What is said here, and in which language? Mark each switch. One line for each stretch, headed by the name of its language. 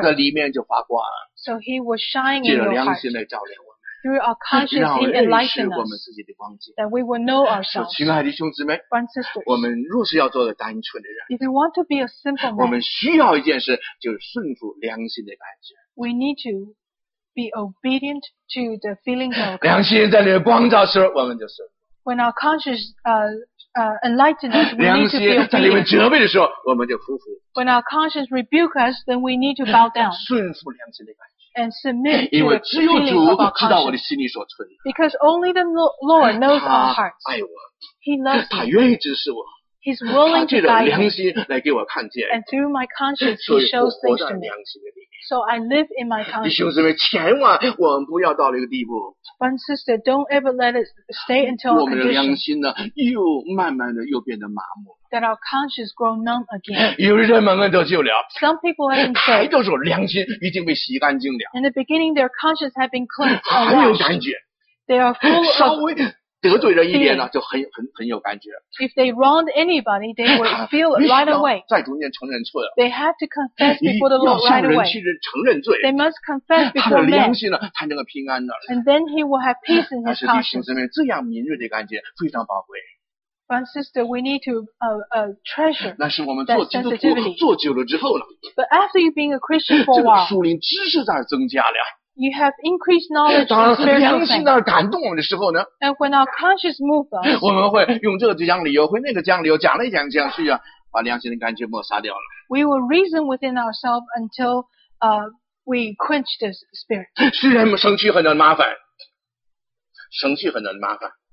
Chinese: 他的里面就发光
English: so he was shining in your heart through our conscience he enlightened us that we will know ourselves
Chinese: 亲爱的弟兄姊妹
English: sisters,
Chinese: 我们若是要做个单纯的人
English: if you want to be a simple man
Chinese: 我们需要一件事就是顺服良心的感觉
English: we need to be obedient to the feelings of God
Chinese: 良心在那光照时我们就顺服
English: when our conscience enlightened us we need to be obedient
Chinese: 良心在那边责备的时候我们就服服
English: when our conscience rebuke us then we need to bow down
Chinese: 顺服良心的感觉
English: And submit to the feeling of our conscience.
Chinese: 因为只有主知道我的心里所存的。
English: Because only the Lord knows our hearts.
Chinese: 爱我。
English: He loves me.
Chinese: 他愿意指示我。
English: He's willing to guide me.
Chinese: 他借着良心来给我看见。
English: And through my conscience, he shows things to me. So I live in my conscience.
Chinese: 弟兄姊妹，千万我们不要到那个地步。
English: But sister, don't ever let it stay until our condition.
Chinese: 我们的良心呢，又慢慢的又变得麻木。
English: That our conscience grow numb again.
Chinese: 有的人蒙恩得救了。
English: Some people have been saved.
Chinese: 开头时候良心已经被洗干净了。
English: In the beginning, their conscience have been cleansed.
Chinese: 很有感觉。
English: They are full of.
Chinese: 稍微得罪人一点呢，就很有感觉。
English: If they wronged anybody, they would feel right away.
Chinese: 在主面承认错了。
English: They have to confess before the Lord right away.
Chinese: 要向人去认承认罪。
English: They must confess before men.
Chinese: 他的良心呢，才能够平安的。
English: And then he will have peace in his conscience.
Chinese: 但是弟兄姊妹，这样敏锐的感觉非常宝贵。
English: But sister, we need to treasure.
Chinese: 那是我们做基督徒做久了之后了。
English: But after you being a Christian for a while,
Chinese: 这个属灵知识在增加了。
English: You have increased knowledge.
Chinese: 当良心在感动我们的时候呢
English: ？And when our conscience moves us,
Chinese: 我们会用这个这样理由，会那个这样理由，讲来讲讲去啊，把良心的感觉抹杀掉了。
English: We will reason within ourselves until we quench this spirit.
Chinese: 虽然生气很多麻烦，生气很多麻烦。